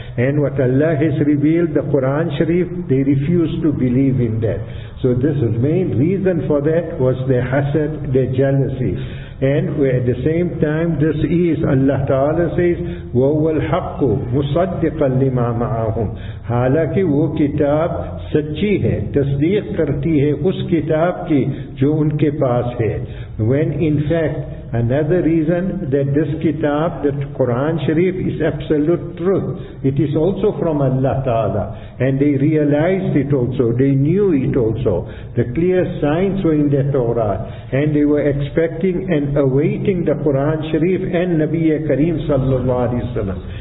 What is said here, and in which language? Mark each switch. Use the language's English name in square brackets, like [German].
[English] And what Allah has revealed, the Quran Sharif, they refuse to believe in that. So this is main reason for that was their hasad, their jealousy. And at the same time, this is, Allah Ta'ala says, [Arabic] وَوَ الْحَقُّ مُصَدِّقًا لِمَا مَعَهُمْ. [Urdu] حالانکہ وہ کتاب سچی ہے, تصدیق کرتی ہے اس کتاب کی جو ان کے پاس ہے. [English] When in fact, another reason that this kitab, that Quran Sharif, is absolute truth. It is also from Allah Ta'ala. And they realized it also. They knew it also. The clear signs were in the Torah. And they were expecting and awaiting the Quran Sharif and Nabi Kareem Sallallahu Alaihi Wasallam.